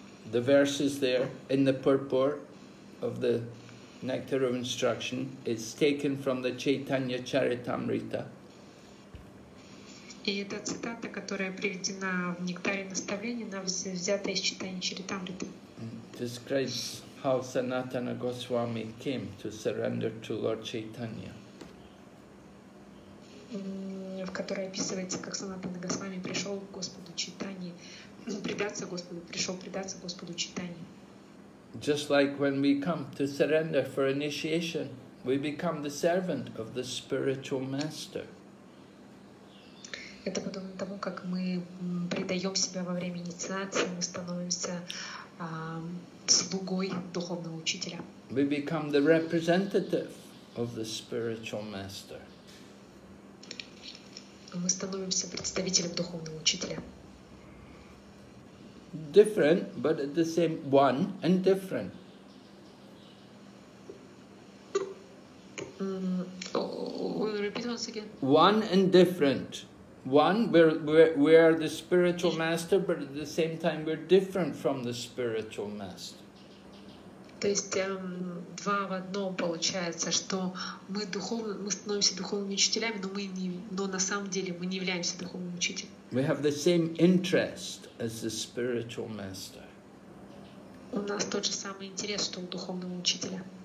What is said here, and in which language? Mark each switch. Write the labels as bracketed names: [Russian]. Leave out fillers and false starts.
[English] The verse is there in the purport of the Nectar of Instruction. It's taken from the Chaitanya Charitamrita. [Russian] И эта цитата, которая приведена в Нектаре Наставления, она взята из читания Чаритамриты. [English] Describes how Sanatana Goswami came to surrender to Lord Chaitanya. [Russian] В которой описывается, как Санатана Госвами пришел к Господу Чайтанье, предаться Господу Чайтанье. [English] Just like when we come to surrender for initiation, we become the servant of the spiritual master. [Russian] Это подобно тому, как мы предаем себя во время инициации, мы становимся слугой духовного учителя. [English] We become the representative of the spiritual master. [Russian] Мы становимся представителем духовного учителя. [English] Different, but at the same one and different. Repeat once again. One and different. one, we are the spiritual master, but at the same time we're different from the spiritual master. [Russian] То есть два в одном получается, что мы духовно, мы становимся духовными учителями, но мы не, но на самом деле мы не являемся духовным учителем. [English] We have the same interest as the spiritual master. [Russian] У нас тот же самый интерес, что у духовного учителя.